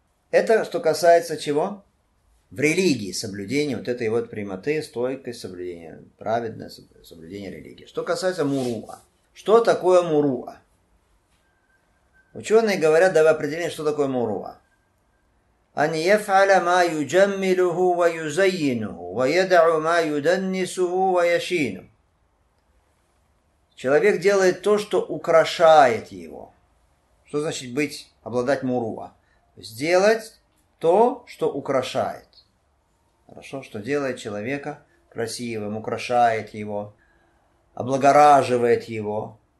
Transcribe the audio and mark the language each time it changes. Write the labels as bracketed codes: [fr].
[ru] Это что касается чего? В религии соблюдения вот этой вот прямоты, стойкость, соблюдение, праведное соблюдение религии. Что касается муруа. Что такое муруа? Ученые говорят, давай определим, что такое муруа. [ar] أن يفعل ما يجمله ويزينه ويدع ما يدنسه ويشينه. [ru] Человек делает то, что украшает его. Что значит быть, обладать муруа? Сделать то, что украшает. Хорошо, что делает человека красивым, украшает его, облагораживает его.